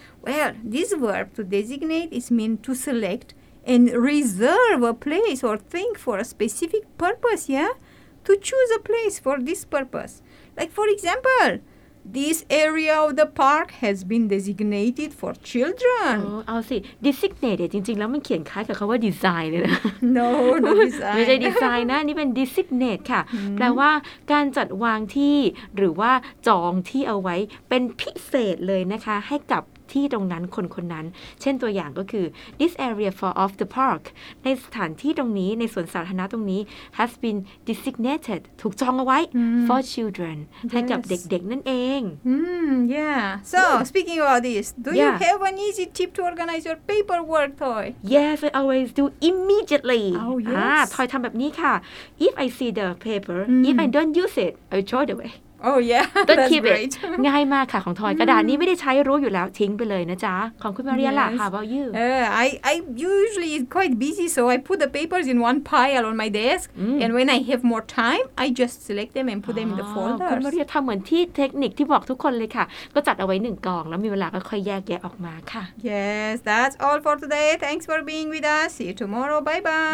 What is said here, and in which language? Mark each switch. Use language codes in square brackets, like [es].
[en] Well, this verb to designate is mean to select and reserve a place or thing for a specific purpose, yeah? To choose a place for this purpose. Like for example, this area of the park has been designated for children. Oh, I'll see. [th] Designated, จริงๆแล้วมันเขียนคล้ายกับคำว่า design เลยนะ [en] No design. [th] ไม่ใช่ design นะนี่เป็น designate ค่ะ แปลว่าการจัดวางที่หรือว่าจองที่เอาไว้เป็นพิเศษเลยนะคะให้กับ ที่ตรงนั้นคนคนนั้นเช่นตัวอย่างก็คือ [en] this area for of the park [th] ในสถานที่ตรงนี้ในสวนสาธารณะตรงนี้ [en] has been designated [th] ถูกจองเอาไว้ [en] for children [th] ให้กับเด็กๆนั่นเอง [en] yeah so speaking about this do you have an easy tip to organize your paperwork toy yes I always do immediately oh yes toy [th] ทำแบบนี้ค่ะ [en] if I see the paper if I don't use it I throw it away oh yeah don't keep it [th] ง่ายมากค่ะของทอยกระดาษนี้ไม่ได้ใช้รู้อยู่แล้วทิ้งไปเลยนะจ๊ะของคุณมาเรียล่ะ [en] how about you I usually quite busy so I put the papers in one pile on my desk and when I have more time I just select them and put them in the folders [th] คุณมาเรียทำเหมือนที่เทคนิคที่บอกทุกคนเลยค่ะก็จัดเอาไว้หนึ่งกองแล้วมีเวลาก็ค่อยแยกแยะออกมาค่ะ [en] yes that's all for today thanks for being with us see you tomorrow bye bye